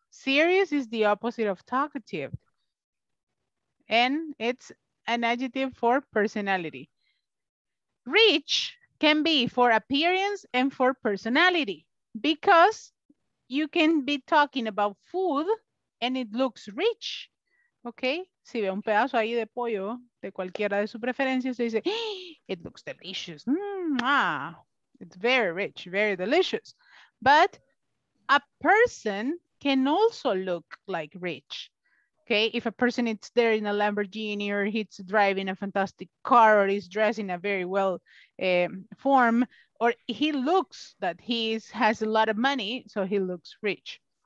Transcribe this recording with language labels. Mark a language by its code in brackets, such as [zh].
[en] Serious is the opposite of talkative. And it's an adjective for personality. Rich can be for appearance and for personality, because you can be talking about food and it looks rich, okay? [es] Si ve un pedazo ahí de pollo de cualquiera de su preferencia, se dice, [en] it looks delicious. Mm-hmm. It's very rich, very delicious. But a person can also look like rich, okay? If a person is there in a Lamborghini, or he's driving a fantastic car, or he's dressed in a very well form, or he looks that he has a lot of money, so he looks rich.